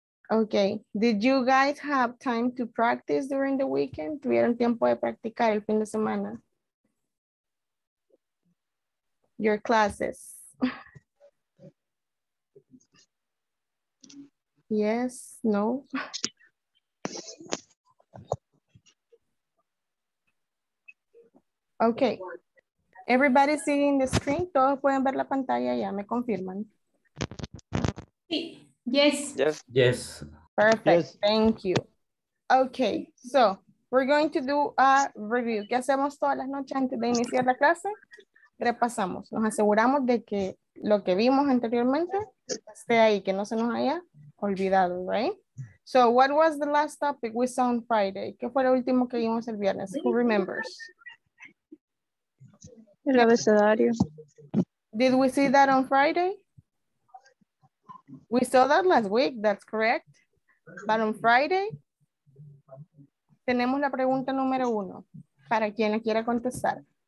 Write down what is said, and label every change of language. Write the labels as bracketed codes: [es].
[en] Okay, did you guys have time to practice during the weekend? [es] ¿Tuvieron tiempo de practicar el fin de semana? [en] Your classes. Yes, no. Okay. Everybody seeing the screen? [es] ¿Todos pueden ver la pantalla? Ya me confirman. Sí. [en] Yes. Yes. Yes. Perfect. Yes. Thank you. Okay. So, we're going to do a review. [es] ¿Qué hacemos todas las noches antes de iniciar la clase? Repasamos. Nos aseguramos de que lo que vimos anteriormente esté ahí, que no se nos haya olvidado, [en] right? So, what was the last topic we saw on Friday? [es] ¿Qué fue lo último que vimos el viernes? [en] Who remembers? [es] El abecedario. [en] Did we see that on Friday? We saw that last week, that's correct. But on Friday, [es] tenemos la pregunta número uno, para quien la quiera contestar.